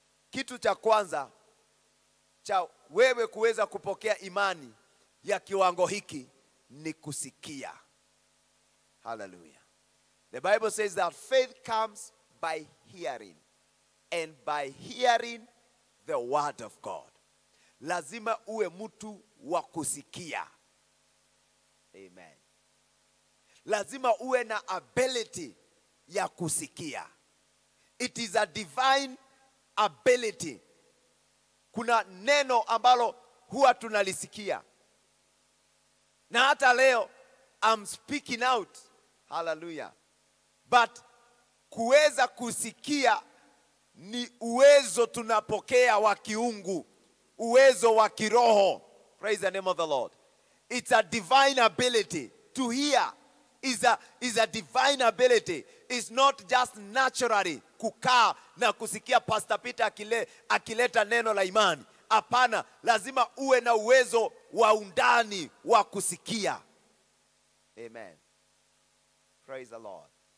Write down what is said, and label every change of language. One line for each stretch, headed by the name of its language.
Swahili: Kitu cha kwanza cha wewe kuweza kupokea imani ya kiwango hiki ni kusikia. Hallelujah.
English: The Bible says that faith comes by hearing, and by hearing the word of God.
Swahili: Lazima uwe mtu wa kusikia. Amen. Lazima uwe na ability ya kusikia.
English: It is a divine ability.
Swahili: Kuna neno ambalo huwa tunalisikia. Na hata leo,
English: I'm speaking out.
Swahili: Hallelujah. But kuweza kusikia ni uwezo tunapokea wa kiungu, uwezo wa kiroho.
English: Praise the name of the Lord. It's a divine ability. To hear is a divine ability. It's not just naturally
Swahili: kukaa na kusikia Pastor Peter akileta neno la imani. Hapana, lazima uwe na uwezo wa undani wa kusikia. Amen.
English: Praise the Lord.